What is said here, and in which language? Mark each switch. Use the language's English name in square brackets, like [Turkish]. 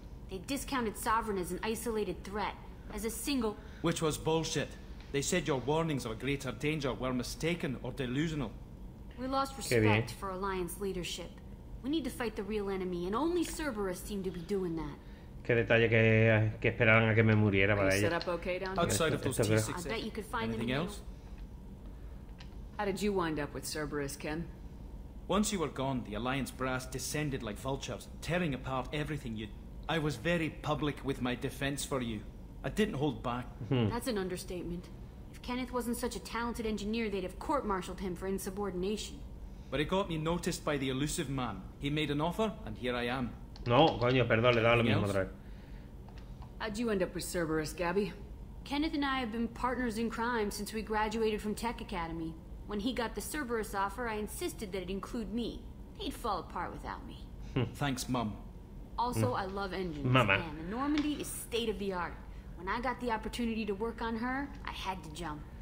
[English] They discounted Sovereign as an isolated threat, as a single... Which was bullshit. They said your warnings of a greater danger were mistaken or delusional. We lost respect for Alliance leadership. We need to fight the real enemy, and only Cerberus seemed to be doing that. [Spanish] Qué detalle que esperaban a que me muriera para ella. [English] Okay outside of those T6s, I bet you could find anything else? How did you wind up with Cerberus, Ken? Once you were gone, the Alliance brass descended like vultures, tearing apart everything you'd... I was very public with my defense for you. I didn't hold back. That's an understatement. If Kenneth wasn't such a talented engineer, they'd have court-martialed him for insubordination. But it got me noticed by the elusive man. He made an offer, and here I am. [Spanish] No, coño, perdón, le da lo mismo otra vez. [English] How'd you end up with Cerberus, Gabby? Kenneth and I have been partners in crime since we graduated from Tech Academy. When he got the Cerberus offer, I insisted that it include me. He'd fall apart without me. Thanks, Mum. Also, I love engines. Mama. And the Normandy is state of the art. When I got the opportunity to work on her, I had to jump.